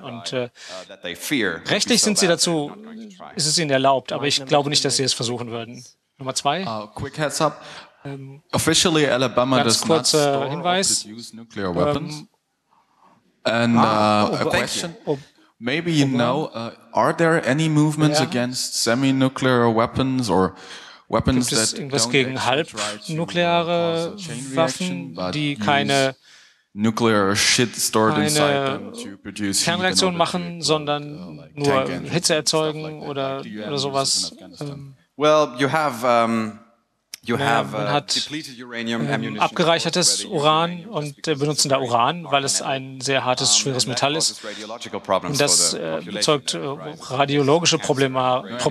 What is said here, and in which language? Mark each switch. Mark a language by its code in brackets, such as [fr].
[de] Und rechtlich sind sie dazu, ist es ihnen erlaubt, aber ich glaube nicht, dass sie es versuchen würden. Nummer zwei. [en] Quick heads up. Officially, Alabama does not store or produce nuclear weapons. Maybe you know, are there any movements against semi-nuclear weapons or weapons that don't [de] irgendwas gegen halbnukleare Waffen, die keine [en] nuclear shit stored inside them to produce [de] Kernreaktionen machen, sondern nur Hitze erzeugen oder sowas? [en] Well, you have depleted uranium ammunition. [de] Abgereichertes Uran und benutzen da Uran, weil es ein sehr hartes, schweres Metall ist. Und das erzeugt radiologische Probleme.